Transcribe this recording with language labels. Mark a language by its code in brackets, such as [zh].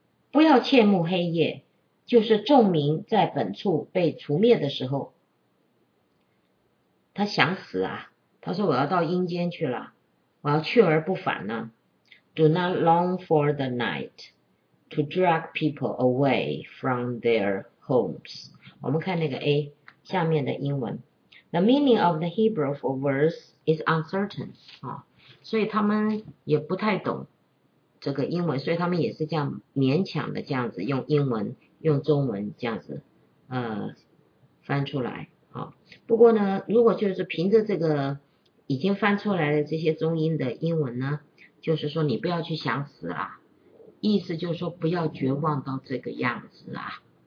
[zh] 不要切慕黑夜，就是众民在本处被除灭的时候，他想死啊，他说我要到阴间去了，我要去而不返呢。 [en] Do not long for the night to drag people away from their homes. [zh] 我们看那个 A 下面的英文。 [en] The meaning of the Hebrew for verse is uncertain. [zh] 所以他们也不太懂这个英文，所以他们也是这样勉强的这样子用英文用中文这样子翻出来。不过呢，如果就是凭着这个已经翻出来的这些中英的英文呢，就是说你不要去想死啊，意思就是说不要绝望到这个样子啊。